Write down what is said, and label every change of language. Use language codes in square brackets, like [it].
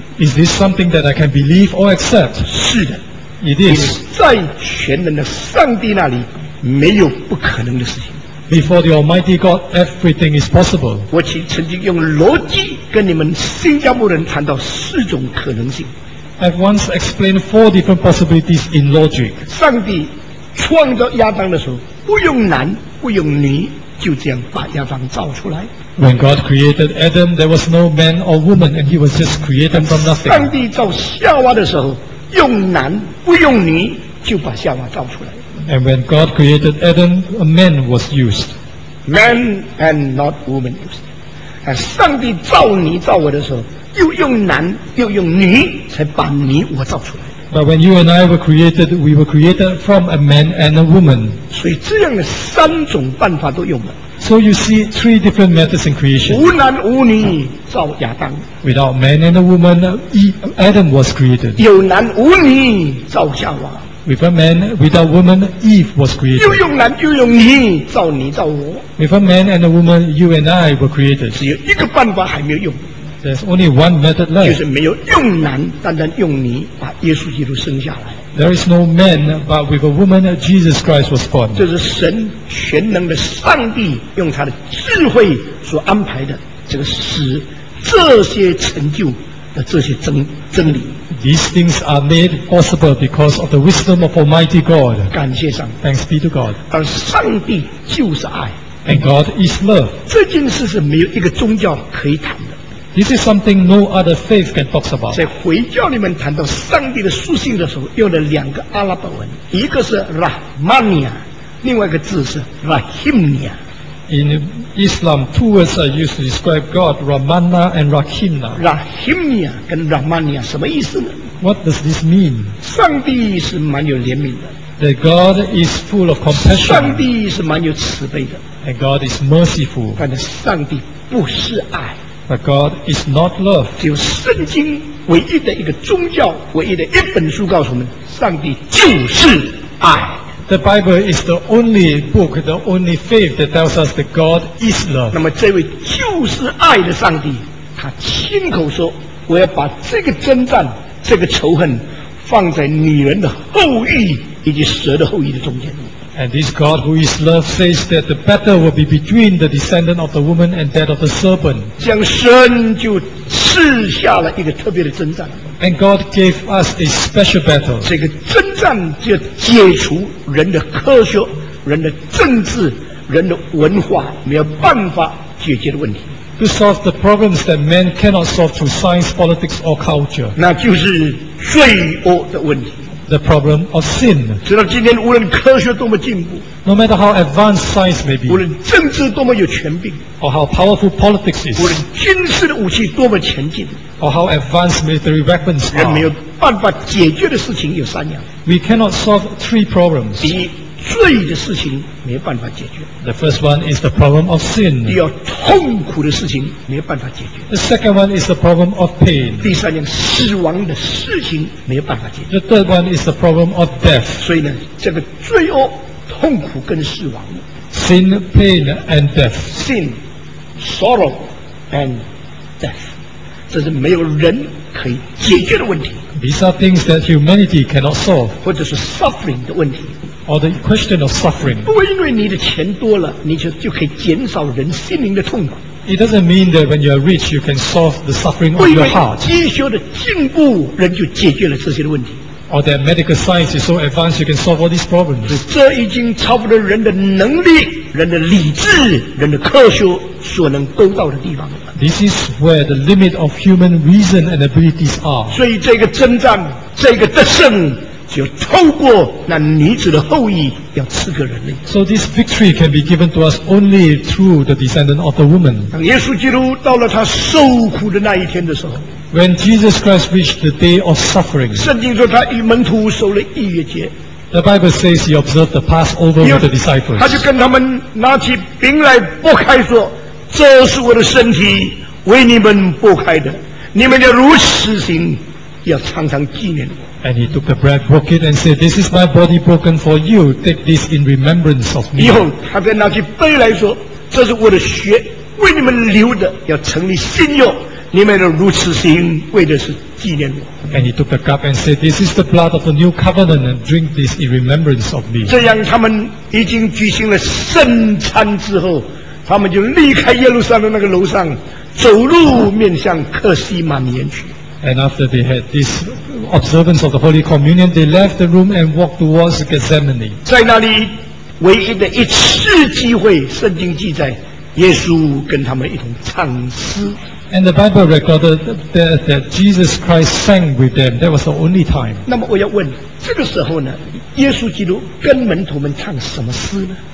[en] Is this something that I can believe or accept? [zh] 是的， [en] it is. [zh] 在全能的上帝那里，没有不可能的事情。 [en] Before the Almighty God, everything is possible. [zh] 我曾经用逻辑跟你们新加坡人谈到四种可能性。 [en] I've once explained four different possibilities in logic. [zh] 上帝创造亚当的时候，不用男，不用女，就这样把亚当造出来。 [en] When God created Adam, there was no man or woman, and he was just created from nothing. [zh] 上帝造夏娃的时候，用男不用女就把夏娃造出来。 [en] And when God created Adam, a man was used. Man and not woman used. [zh] 上帝造你造我的时候，又用男又用女才把你我造出来。 [en] But when you and I were created, we were created from a man and a woman. [zh] 所以这样的三种办法都用了。 [en] So you see three different methods in creation. [zh] 无男无女造亚当。 [en] Without man and a woman, Adam was created. [zh] 有男无女造夏娃。 [en] With a man, without woman, Eve was created. [zh] 又用男又用女造你造我。 [en] With a man and a woman, you and I were created. [zh] 只有一个办法还没有用。 [en] There's only one method left. [zh] 就是没有用男，单单用女把耶稣基督生下来。 [en] There is no man, but with a woman, Jesus Christ was born. [zh] 这是神全能的上帝用他的智慧所安排的，这个使这些成就的这些真理。 [en] These things are made possible because of the wisdom of Almighty God. [zh] 感谢上帝。 [en] Thanks be to God. [zh] 而上帝就是爱。 [en] And God is love. [zh] 这件事是没有一个宗教可以谈的。 [en] This is something no other faith can talk about. [zh] 在回教里面谈到上帝的属性的时候，用了两个阿拉伯文，一个是 Rahmania， 另外一个字是 Rahimnia。 [en] In Islam, two words are used to describe God: Rahmana and Rahimna. [zh] Rahimnia 跟 Rahmania 什么意思呢？ [en] What does this mean? [zh] 上帝是蛮有怜悯的。 [en] That God is full of compassion. [zh] 上帝是蛮有慈悲的。 [en] And God is merciful. [zh] 但是上帝不是爱。 [en] But God is not love. [zh] 只有圣经唯一的一个宗教，唯一的一本书告诉我们，上帝就是爱。 [en] The Bible is the only book, the only faith that tells us that God is love. [zh] 那么这位就是爱的上帝，他亲口说，我要把这个征战，这个仇恨，放在女人的后裔以及蛇的后裔的中间。 [en] And this God who is love says that the battle will be between the descendant of the woman and that of the serpent. [zh] 将神就赐下了一个特别的征战。 [en] And God gave us a special battle. [zh] 这个征战就解除人的科学、人的政治、人的文化没有办法解决的问题。 [en] To solve the problems that men cannot solve through science, politics, or culture. [zh] 那就是罪恶的问题。 [en] The problem of sin. [zh] 直到今天，无论科学多么进步 [en] ，No matter how advanced science may be， [zh] 无论政治多么有权柄 [en] ，Or how powerful politics is， [zh] 无论军事的武器多么前进 [en] ，Or how advanced military weapons are， [zh] 人没有办法解决的事情有三样。 [en] We cannot solve three problems. [zh] 第一，罪的事情没有办法解决。 [en] The first one is the problem of sin. [zh] 第二，痛苦的事情没有办法解决。 [en] The second one is the problem of pain. [zh] 第三样，死亡的事情没有办法解决。 [en] The third one is the problem of death. [zh] 所以呢，这个罪恶、痛苦跟死亡。 [en] Sin, pain, and death. Sin, sorrow, and death. [zh] 这是没有人可以解决的问题。 [en] These are things that humanity cannot solve. [zh] 或者是 suffering 的问题。 [en] Or the question of suffering. [zh] 不因为你的钱多了，你就可以减少人心灵的痛苦。 [en] It doesn't mean that when you are rich, you can solve the suffering of your heart. [zh] 不因为医学的进步，人就解决了这些问题。 [en] Or that medical science is so advanced, you can solve all these problems. [zh] 这已经超过了人的能力、人的理智、人的科学所能够到的地方。 [en] This is where the limit of human reason and abilities are. [zh] 所以这个征战，这个得胜。就透过那女子的后裔要赐给人类。 [en] So this victory can be given to us only through the descendant of the woman. [zh] 当耶稣基督到了他受苦的那一天的时候 [en] ，When Jesus Christ reached the day of suffering， [zh] 圣经说他与门徒守了逾越节。 [en] The Bible says he observed the Passover with the disciples. [zh] 他就跟他们拿起饼来擘开说：“这是我的身体，为你们擘开的，你们要如此行，要常常纪念我。” [en] And he took the bread, broke it, and said, "This is my body broken for you. Take this in remembrance of me." [zh] 以后，他便拿起杯来说：“这是我的血，为你们流的，要成你新约。你们要如此行，为的是纪念我。” [en] And he took the cup and said, "This is the blood of the new covenant. And drink this in remembrance of me." [zh] 这样，他们已经举行了圣餐之后，他们就离开耶路撒冷那个楼上，走路面向客西马尼园去。 [en] And after they had this observance of the Holy Communion, they left the room and walked towards Gethsemane. [zh] 在那里唯一的一次机会，圣经记载，耶稣跟他们一同唱诗。 [en] And the Bible recorded that Jesus Christ sang with them. That was the only time. [zh] 那么我要问，这个时候呢，耶稣基督跟门徒们唱什么诗呢？